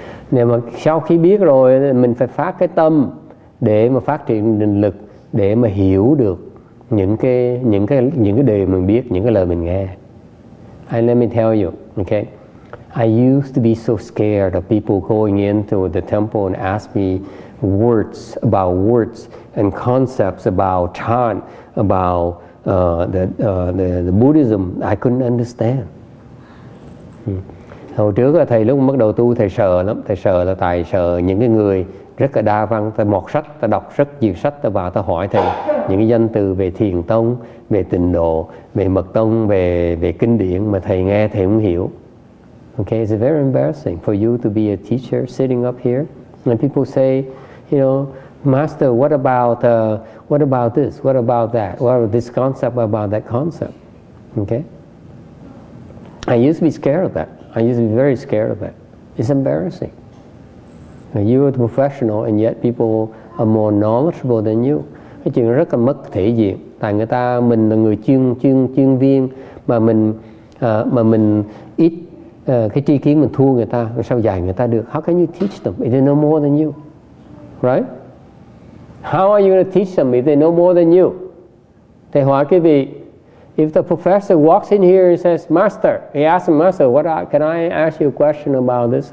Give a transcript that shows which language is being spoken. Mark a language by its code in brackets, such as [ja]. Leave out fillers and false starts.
[vi] Nếu mà sau khi biết rồi, mình phải phát cái tâm để mà phát triển định lực, để mà hiểu được những cái đề mình biết, những cái lời mình nghe. [en] And let me tell you, okay, I used to be so scared of people going into the temple and ask me words and concepts about Chan, about the Buddhism. I couldn't understand. [vi] Hồi trước thầy lúc bắt đầu tu thầy sợ lắm, thầy sợ là tại sợ những cái người rất là đa văn, ta mọt sách, ta đọc rất nhiều sách, ta vào ta hỏi thầy những cái danh từ về thiền tông, về tịnh độ, về mật tông, về kinh điển mà thầy nghe thầy không hiểu. [en] Okay, it's very embarrassing for you to be a teacher sitting up here. And people say, you know, master, what about this? What about that? What about this concept? What about that concept? Okay? I used to be scared of that. I used to be very scared of that. It's embarrassing. You are the professional and yet people are more knowledgeable than you. [vi] Cái chuyện rất là mất thể diện. Tại người ta, mình là người chuyên viên mà mình ít cái tri kiến mình thua người ta, rồi sao dạy người ta được? [en] How can you teach them if they know more than you? Right? How are you going to teach them if they know more than you? [vi] Thầy hỏi quý vị, [en] if the professor walks in here and says, Master, he asks the master, can I ask you a question about this?